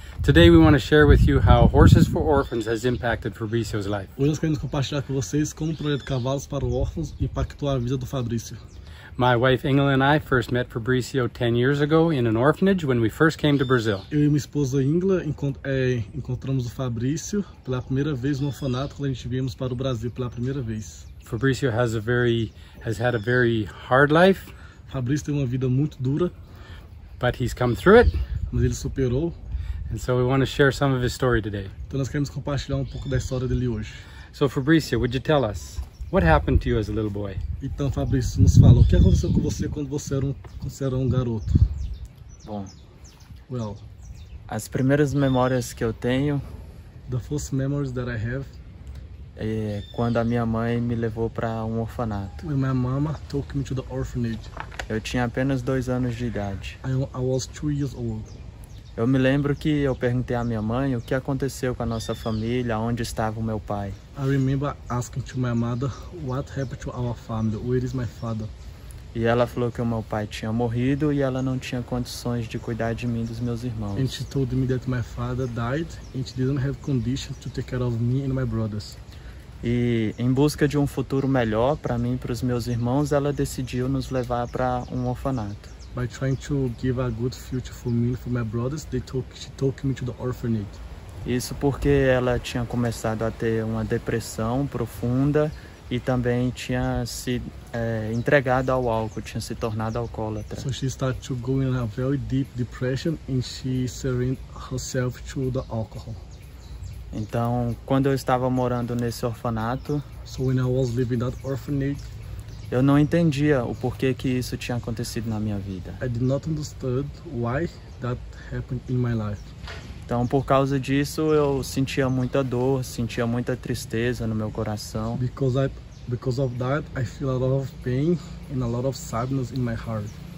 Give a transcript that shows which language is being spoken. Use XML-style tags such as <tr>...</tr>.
<en>Today we want to share with you how Horses for Orphans has impacted Fabricio's life.</en> <pt>Hoje nós queremos compartilhar com vocês como o projeto Cavalos para Órfãos impactou a vida do Fabricio.</pt> <en>My wife Ingela and I first met Fabricio 10 years ago in an orphanage when we first came to Brazil.</en> <pt>Eu e minha esposa Ingela encontramos o Fabricio pela primeira vez no orfanato quando a gente viemos para o Brasil pela primeira vez.</pt> <en>Fabricio has had a very hard life.</en> <pt>Fabrício tem uma vida muito dura,</pt> <en>but he's come through it.</en> <pt>Mas ele superou.</pt> <en>And so we want to share some of his story today.</en> <pt>Então nós queremos compartilhar um pouco da história dele hoje.</pt> <en>So Fabricio, would you tell us what happened to you as a little boy?</en> <pt>Então Fabrício nos fala, o que aconteceu com você quando você era um garoto? Bom.</pt> <en>Well,</en> <pt>as primeiras memórias que eu tenho,</pt> <en>the first memories that I have,</en> <pt>é quando a minha mãe me levou para um orfanato.</pt> <en>When my mama took me to the orphanage.</en> <pt>Eu tinha apenas 2 anos de idade.</pt> <en>I was 2 years old.</en> <pt>Eu me lembro que eu perguntei à minha mãe o que aconteceu com a nossa família, onde estava o meu pai.</pt> <en>I remember asking to my mother what happened to our family, where is my father?</en> <pt>E ela falou que o meu pai tinha morrido e ela não tinha condições de cuidar de mim e dos meus irmãos.</pt> <en>And she told me that my father died and she didn't have condition to take care of me and my brothers.</en> <pt>E em busca de um futuro melhor para mim e para os meus irmãos, ela decidiu nos levar para um orfanato.</pt> <en>By trying to give a good future for me and for my brothers, she took me to the orphanage.</en> <pt>Isso porque ela tinha começado a ter uma depressão profunda e também tinha se entregado ao álcool, tinha se tornado alcoólatra.</pt> <en>So she started to go in a very deep depression and she surrendered herself to the alcohol.</en> <pt>Então, quando eu estava morando nesse orfanato,</pt> <en>so when I was living that orphanage,</en> <pt>eu não entendia o porquê que isso tinha acontecido na minha vida.</pt> <en>I did not understand why that happened in my life.</en> <pt>Então, por causa disso, eu sentia muita dor, sentia muita tristeza no meu coração.</pt> <en>Because of that, I feel a lot of pain and a lot of sadness in my heart.</en>